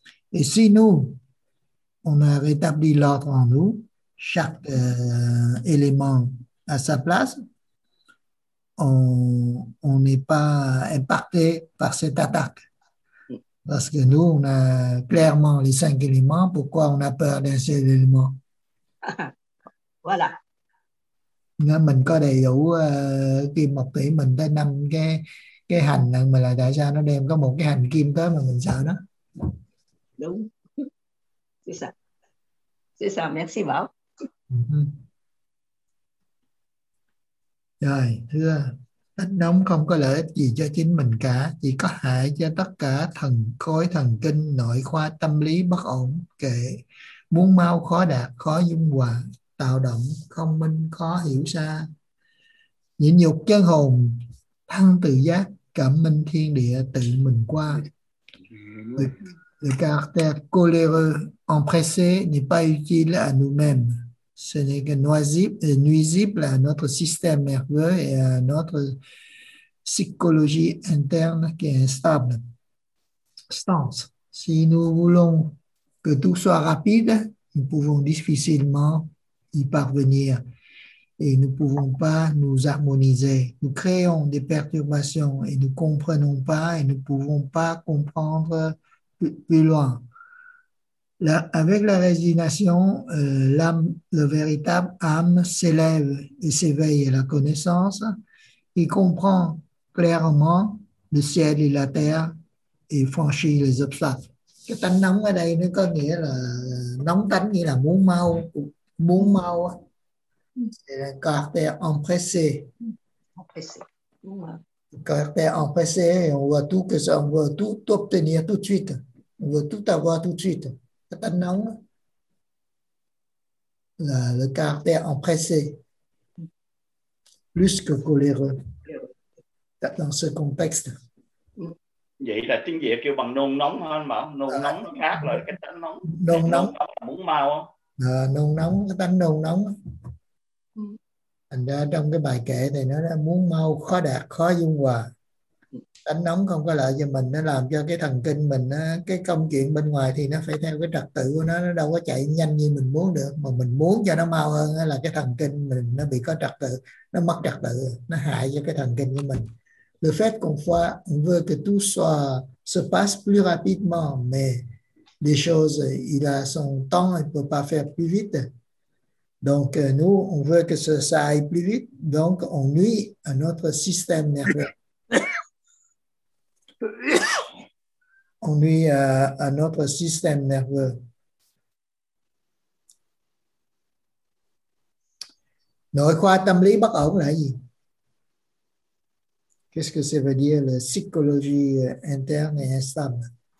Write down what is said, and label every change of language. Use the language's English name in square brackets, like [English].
[French] Et si nous on a rétabli l'ordre en nous, chaque élément à sa place, on n'est pas impacté par cette attaque. Parce que nous, on a clairement les cinq éléments, pourquoi on a peur d'un seul élément? Voilà. [Vietnamese] Nên mình có đầy đủ kim mộc thủy, mình tới năm cái hành, mà là tại sao nó đem có một cái hành kim tới mà mình sợ đó. Đúng. [French] C'est ça. C'est ça, merci Bao. [Vietnamese] Rồi, thưa, tích nóng không có lợi ích gì cho chính mình cả, chỉ có hại cho tất cả thần khối, thần kinh, nội khoa, tâm lý bất ổn, kệ, muốn mau khó đạt, khó dung hòa, tạo động, không minh, khó hiểu xa. Nhịn nhục chân hồn, thăng tự giác, cảm minh thiên địa, tự mình qua. [French] Le caractère coléreux, empressé, n'est pas utile à nous-mêmes. Ce n'est que nuisible à notre système nerveux et à notre psychologie interne qui est instable. Stance. Si nous voulons que tout soit rapide, nous pouvons difficilement y parvenir et nous ne pouvons pas nous harmoniser. Nous créons des perturbations et nous ne comprenons pas et nous ne pouvons pas comprendre plus loin. Avec la résignation, l'âme, la véritable âme, s'élève et s'éveille à la connaissance. Il comprend clairement le ciel et la terre et franchit les obstacles. [Vietnamese] Cái tánh nóng ở đây nó có nghĩa là nóng tánh nghĩa là muốn mau. [French] Caractère empressé. Empressé. Caractère empressé. On voit tout que ça, on veut tout obtenir tout de suite. On veut tout avoir tout de suite. Le caractère empressé, plus que coléreux, dans ce contexte. [Vietnamese] Vậy là tiếng Việt kêu bằng nôn nóng hả anh Bảo? Nôn nóng nó khác rồi, cái tánh nóng. Nôn nóng. Muốn mau không? Nôn nóng, cái tánh nôn nóng. Thành ra trong cái bài kể này nó muốn mau, khó đạt, khó dung hòa. Tánh nóng không có lợi cho mình, nó làm cho cái thần kinh mình, cái công chuyện bên ngoài thì nó phải theo cái trật tự của nó đâu có chạy nhanh như mình muốn được. Mà mình muốn cho nó mau hơn là cái thần kinh mình nó bị có trật tự, nó mất trật tự, nó hại cho cái thần kinh của mình. [French] Le fait qu'on voit, on veut que tout soit, se passe plus rapidement, mais les choses, il a son temps, il ne peut pas faire plus vite. Donc, nous, on veut que ça aille plus vite, donc on nuit à notre système nerveux. On nuit à notre système nerveux. [Vietnamese] Nội khoa tâm lý bất ổn là gì? [French] Qu'est-ce que ça veut dire, la psychologie interne et instable?